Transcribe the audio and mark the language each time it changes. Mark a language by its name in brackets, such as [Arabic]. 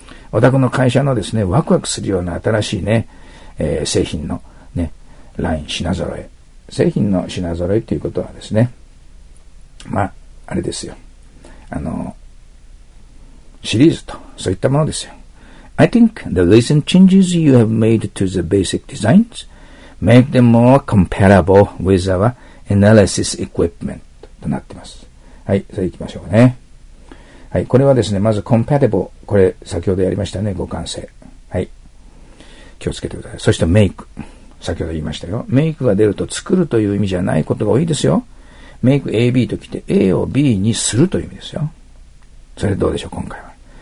[Japanese] お宅の会社のですね、ワクワクするような新しいね、製品のね、ライン、品揃え。製品の品揃えということはですね、まあ、あれですよ。シリーズと、そういったものですよ。 [English] I think the recent changes you have made to the basic designs make them more comparable with our analysis equipment [Japanese] となっています。はい、それ行きましょうね。はい、これはですね、まず compatible、これ先ほどやりましたね、互換性。はい、気をつけてください。そして make、先ほど言いましたよ。make が出ると作るという意味じゃないことが多いですよ。メイク AB ときて A を B にするという意味ですよ。それどうでしょう今回は。